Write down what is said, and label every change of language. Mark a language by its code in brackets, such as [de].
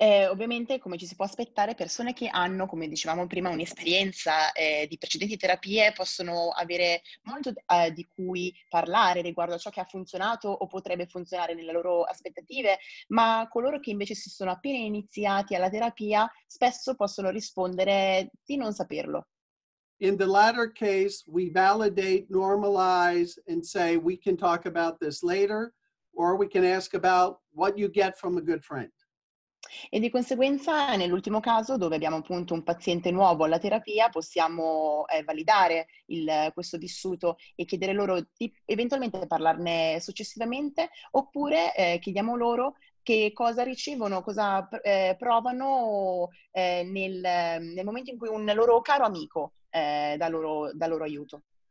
[it] Ovviamente, come ci si può aspettare, persone che hanno, come dicevamo prima, un'esperienza di precedenti terapie possono avere molto di cui parlare riguardo a ciò che ha funzionato o potrebbe funzionare nelle loro aspettative, ma coloro che invece si sono appena iniziati alla terapia spesso possono rispondere di non saperlo. [en] In the latter case, we validate, normalize, and say we can talk about this later, or we can ask about what you get from a good friend. [it] E di conseguenza, nell'ultimo caso, dove abbiamo appunto un paziente nuovo alla terapia, possiamo validare questo vissuto e chiedere loro di eventualmente parlarne successivamente, oppure chiediamo loro che cosa ricevono, cosa provano nel momento in cui un loro caro amico dà loro aiuto.